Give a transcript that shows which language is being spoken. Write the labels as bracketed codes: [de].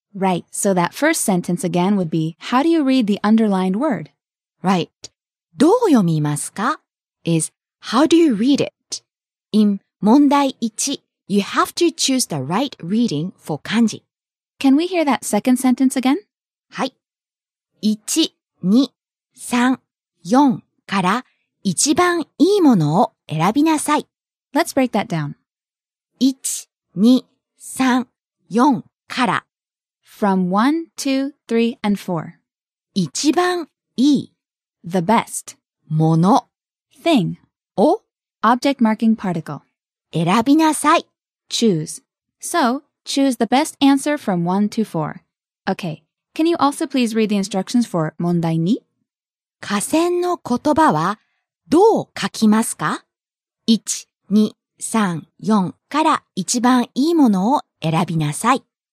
[en] Right, so that first sentence again would be, how do you read the underlined word? Right. [ja] どう読みますか? [en] is how do you read it? In 問題1。 You have to choose the right reading for 漢字. Can we hear that second sentence again? [ja] はい。 1、2、3、4から一番いいものを選びなさい。 [en] Let's break that down. [ja] 1、2、3、4から [en] From 1, 2, 3, and 4. [ja] 一番いい [en] The best [ja] もの [en] Thing [ja] を [en] Object marking particle [ja] 選びなさい。 [en] Choose. So, choose the best answer from 1 to 4. Okay, can you also please read the instructions for 問題 2? [ja] 下線の言葉はどう書きますか? 1, 2, 3, 4から一番いいものを選びなさい。